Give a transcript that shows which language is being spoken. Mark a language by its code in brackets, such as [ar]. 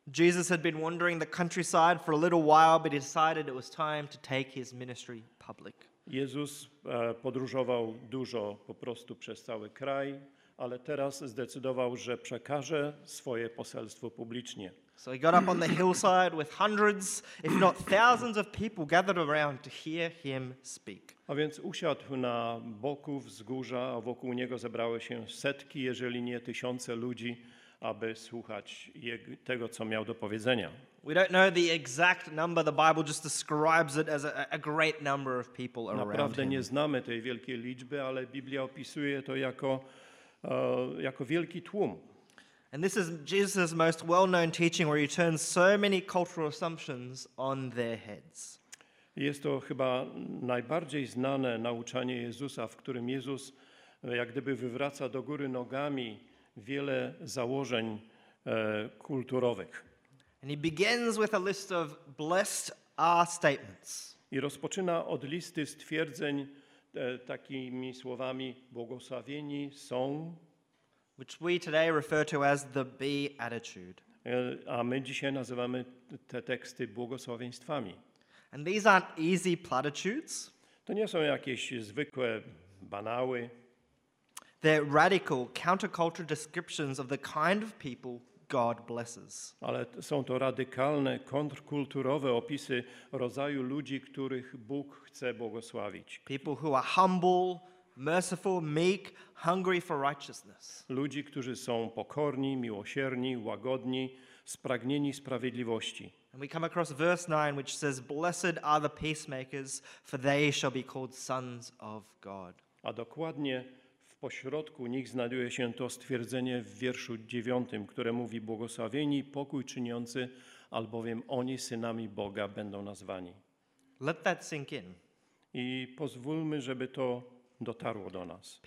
[en] Jesus had been wandering the countryside for a little while, but he decided it was time to take his ministry public. [pl] Jezus podróżował dużo po prostu przez cały kraj, ale teraz zdecydował, że przekaże swoje poselstwo publicznie. [en] So he got up on the hillside with hundreds, if not thousands of people gathered around to hear him speak. [pl] A więc usiadł na boku wzgórza, a wokół niego zebrały się setki, jeżeli nie tysiące ludzi, aby słuchać tego, co miał do powiedzenia. [en] We don't know the exact number. The Bible just describes it as a great number of people around him. [pl] Naprawdę nie znamy tej wielkiej liczby, ale Biblia opisuje to jako wielki tłum. [en] And this is Jesus' most well-known teaching, where he turns so many cultural assumptions on their heads. [pl] Jest to chyba najbardziej znane nauczanie Jezusa, w którym Jezus jak gdyby wywraca do góry nogami wiele założeń kulturowych. [en] And he begins with a list of blessed are statements. [pl] I rozpoczyna od listy stwierdzeń takimi słowami: błogosławieni są, [en] which we today refer to as the Beatitude. [pl] A my dzisiaj nazywamy te teksty błogosławieństwami. [en] And these aren't easy platitudes. [pl] To nie są jakieś zwykłe banały. [en] They're radical, countercultural descriptions of the kind of people God blesses. [pl] Ale są to radykalne, kontrkulturowe opisy rodzaju ludzi, których Bóg chce błogosławić. [en] People who are humble, merciful, meek, hungry for righteousness. [pl] Ludzi, którzy są pokorni, miłosierni, łagodni, spragnieni sprawiedliwości. [en] And we come across verse 9, which says, "Blessed are the peacemakers, for they shall be called sons of God." [pl] A dokładnie po środku nich znajduje się to stwierdzenie w wierszu 9, które mówi: błogosławieni pokój czyniący, albowiem oni synami Boga będą nazwani. [en] Let that sink in. [pl] I pozwólmy, żeby to dotarło do nas.